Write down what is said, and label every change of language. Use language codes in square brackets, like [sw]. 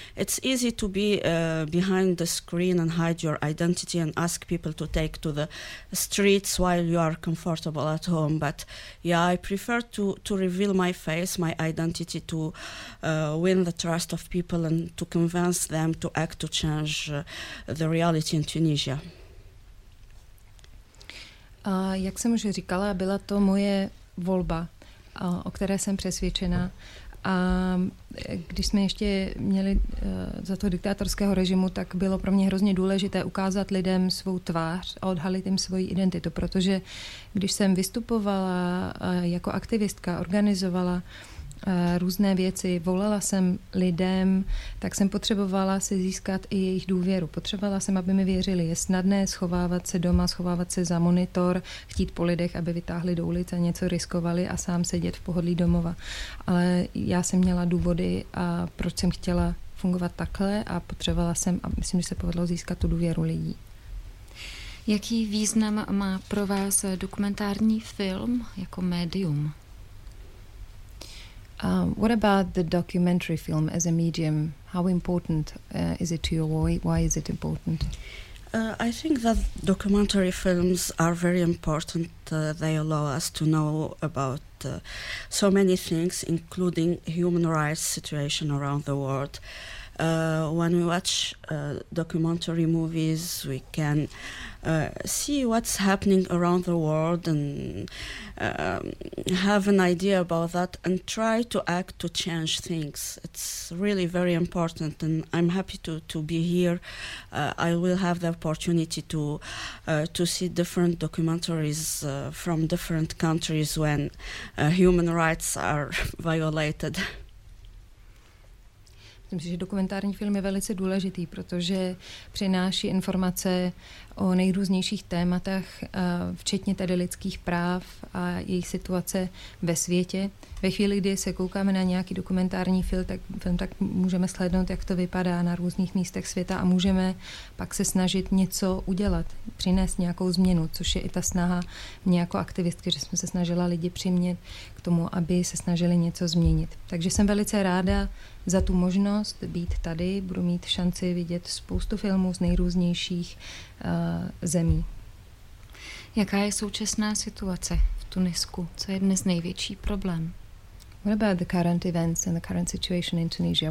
[en] It's easy to be behind the screen and hide your identity and ask people to take to the streets while you are comfortable at home. But yeah, I prefer to reveal my face, my identity, to win the trust of people and to convince them to act to change the reality in Tunisia. [cs] Jak jsem už říkala, byla to moje volba, o které jsem přesvědčena. A když jsme ještě měli za to diktátorského režimu, tak bylo pro mě hrozně důležité ukázat lidem svou tvář a odhalit jim svoji identitu, protože když jsem vystupovala jako aktivistka, organizovala různé věci, volala jsem lidem, tak jsem potřebovala si získat i jejich důvěru. Potřebovala jsem, aby mi věřili. Je snadné schovávat se doma, schovávat se za monitor, chtít po lidech, aby vytáhli do ulice, něco riskovali a sám sedět v pohodlí domova. Ale já jsem měla důvody, a proč jsem chtěla fungovat takhle, a potřebovala jsem, a myslím, že se povedlo získat tu důvěru lidí. Jaký význam má pro vás dokumentární film jako médium? [en] What about the documentary film as a medium? How important is it to you? Why is it important? I think that documentary films are very important. They allow us to know about so many things, including human rights situation around the world. When we watch documentary movies, we can see what's happening around the world and have an idea about that and try to act to change things. It's really very important, and I'm happy to be here. I will have the opportunity to see different documentaries from different countries when human rights are violated. [cs] Myslím si, že dokumentární film je velice důležitý, protože přináší informace o nejrůznějších tématech, včetně tedy lidských práv a jejich situace ve světě. Ve chvíli, kdy se koukáme na nějaký dokumentární film, tak můžeme sledovat, jak to vypadá na různých místech světa a můžeme pak se snažit něco udělat, přinést nějakou změnu, což je i ta snaha mě jako aktivistky, že jsem se snažila lidi přimět k tomu, aby se snažili něco změnit. Takže jsem velice ráda za tu možnost být tady, budu mít šanci vidět spoustu filmů z nejrůznějších zemí. Jaká je současná situace v Tunisku? Co je dnes největší problém? [en] What about the current events and the current situation in Tunisia?